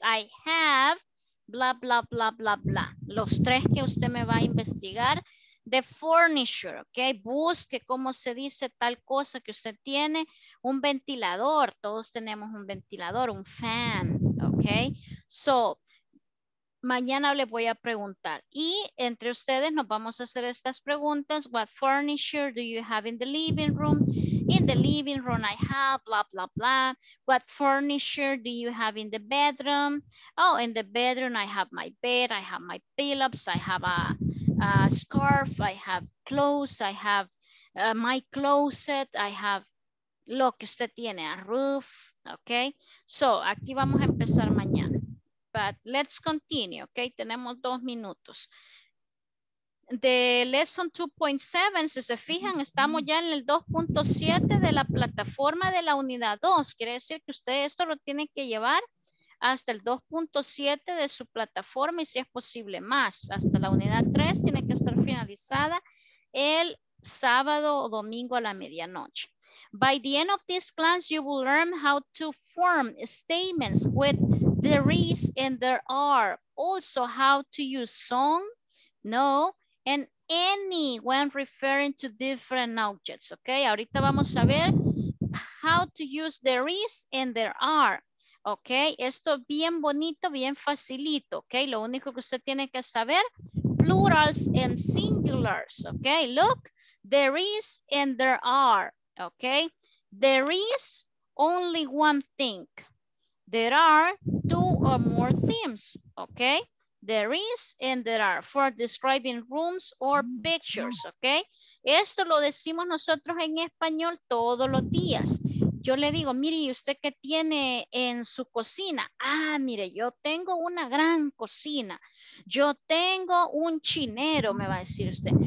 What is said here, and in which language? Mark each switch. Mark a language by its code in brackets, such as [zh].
[en] I have bla, bla, [es] bla, bla, bla. Los tres que usted me va a investigar de furniture. Ok, busque cómo se dice tal cosa que usted tiene. Un ventilador, todos tenemos un ventilador, un fan. Ok, so, mañana les voy a preguntar. Y entre ustedes nos vamos a hacer estas preguntas. [en] What furniture do you have in the living room? In the living room I have, blah, blah, blah. What furniture do you have in the bedroom? Oh, in the bedroom I have my bed, I have my pillows, I have a scarf, I have clothes, I have my closet, I have [es] lo que usted tiene, [en] a roof. [es] Okay, so aquí vamos a empezar mañana. [en] But let's continue, okay? [es] Tenemos dos minutos. [en] The lesson 2.7, [es] si se fijan, estamos ya en el 2.7 de la plataforma de la unidad 2. Quiere decir que usted esto lo tiene que llevar hasta el 2.7 de su plataforma y si es posible más. Hasta la unidad 3 tiene que estar finalizada el sábado o domingo a la medianoche. [en] By the end of this class, you will learn how to form statements with there is and there are. Also, how to use some, no, and any when referring to different objects. [es] Okay, ahorita vamos a ver [en] how to use there is and there are. [es] Okay, esto bien bonito, bien facilito. Okay, lo único que usted tiene que saber, [en] plurals and singulars. Okay, look, there is and there are. Okay, there is only one thing. There are two or more things. Okay, there is and there are for describing rooms or pictures. [es] Okay, esto lo decimos nosotros en español todos los días. Yo le digo, mire, ¿y usted qué tiene en su cocina? Ah, mire, yo tengo una gran cocina. Yo tengo un chinero, me va a decir usted.